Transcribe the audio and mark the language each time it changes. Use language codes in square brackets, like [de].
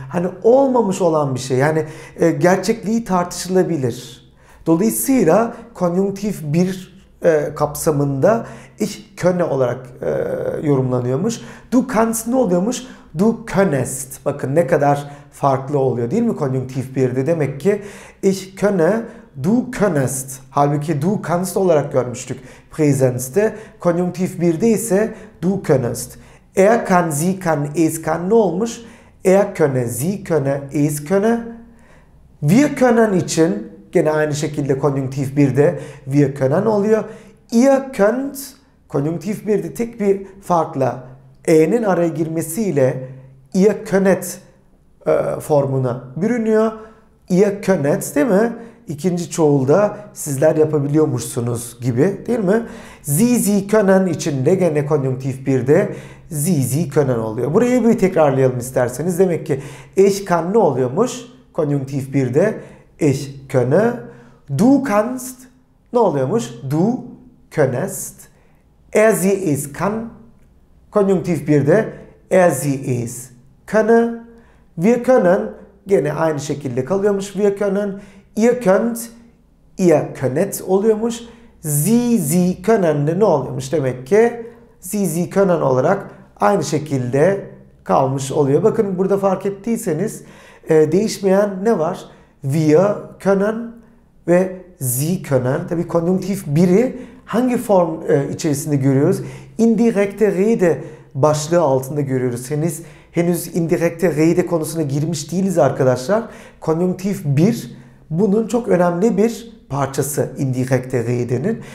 [tr] Hani olmamış olan bir şey. Yani gerçekliği tartışılabilir. Dolayısıyla konjunktif bir kapsamında [de] ich könne [tr] olarak yorumlanıyormuş. [de] Du kannst [tr] ne oluyormuş? [de] Du könnest. [tr] Bakın ne kadar farklı oluyor değil mi konjunktif birde? Demek ki [de] ich könne, du könnest. [tr] Halbuki [de] du kannst [tr] olarak görmüştük Präsens'te. Konjunktif birde ise [de] du könnest. Er kann, sie kann, es kann [tr] ne olmuş? [de] Er könne, sie könne, es könne. Wir können [tr] için gene aynı şekilde konjunktif birde [de] wir können [tr] oluyor. [de] Ihr könnt [tr] konjunktif birde tek bir farkla e'nin araya girmesiyle [de] ihr könnet [tr] formuna bürünüyor. [de] Ihr könnet [tr] değil mi? İkinci çoğulda sizler yapabiliyormuşsunuz gibi değil mi? [de] Sie, sie können [tr] içinde gene konjunktif birde [de] sie, sie können [tr] oluyor. Burayı bir tekrarlayalım isterseniz. Demek ki [de] ich kann [tr] ne oluyormuş? Konjunktif birde [de] ich könne. Du kannst [tr] ne oluyormuş? [de] Du könnest. Er, sie, es kann. [tr] Konjunktif birde [de] er, sie, es könne. [tr] Wir können gene aynı şekilde kalıyormuş. [de] Wir können. Ihr könnt, ihr könnet [tr] oluyormuş. [de] Sie, sie können [tr] de ne oluyormuş? Demek ki [de] sie, sie können [tr] olarak aynı şekilde kalmış oluyor. Bakın burada fark ettiyseniz değişmeyen ne var? [de] Wir können [tr] ve [de] sie können. [tr] Tabii konjunktif biri hangi form içerisinde görüyoruz? Indirekte rede başlığı altında görüyoruz. Henüz indirekte rede konusuna girmiş değiliz arkadaşlar. Konjunktif bir bunun çok önemli bir parçası indirekte rede'nin.